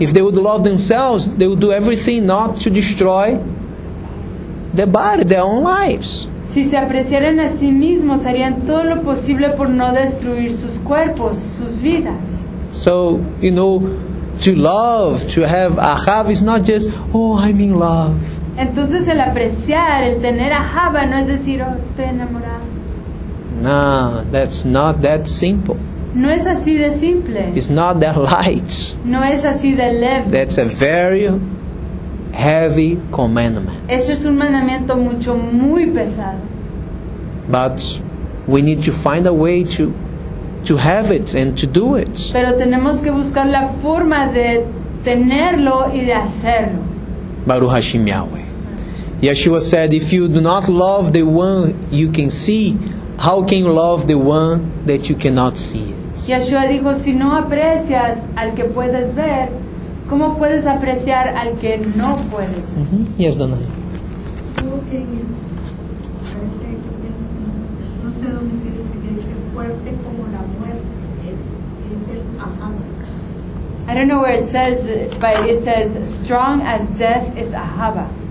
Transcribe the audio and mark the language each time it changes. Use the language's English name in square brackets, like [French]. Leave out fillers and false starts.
[English] If they would love themselves, they would do everything not to destroy their body, their own lives. [Spanish] Si se apreciaran a sí mismos, harían todo lo posible por no destruir sus cuerpos, sus vidas. [English] So, you know, to love, to have ahava is not just, oh, I'm in love. [Spanish] Entonces el apreciar, el tener ahava, no es decir, oh, estoy enamorado. [English] No, that's not that simple. [Spanish] No es así de simple. [English] It's not that light. [Spanish] No es así de leve. [English] That's a very heavy commandment. [Spanish] Eso es un mandamiento mucho, muy pesado. [English] But we need to find a way to have it and to do it. [Spanish] Pero tenemos que buscar la forma de tenerlo y de hacerlo. [Hebrew] Baruch Hashem Yahweh. [English] Yeshua said, if you do not love the one you can see, how can you love the one that you cannot see? [Spanish] Yeshua dijo, si no aprecias al que puedes ver, ¿cómo puedes apreciar al que no puedes ver? [English] Mm-hmm. Yes, Donna. [Spanish] Parece que no sé dónde quieres que dice fuerte como la muerte. Es el ahava. [English] I don't know where it says, but it says strong as death is ahava.